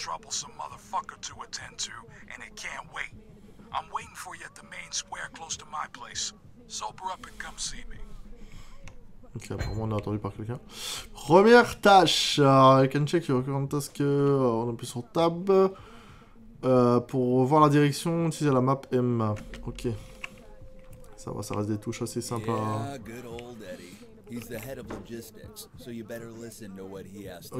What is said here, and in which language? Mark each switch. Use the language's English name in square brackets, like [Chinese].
[English] Some motherfucker to attend to, and it can't wait. I'm waiting for you at the main square close to my place. Sober up and come see me. [French] Ok, apparemment on est attendu par quelqu'un. Première tâche, [English] I can check your current task. [French] On appuie sur tab pour voir la direction. Utiliser la map M. Ok, ça va, ça reste des touches assez sympas. [English] Yeah, good old Eddie. He's the head of logistics, so you better listen to what he has to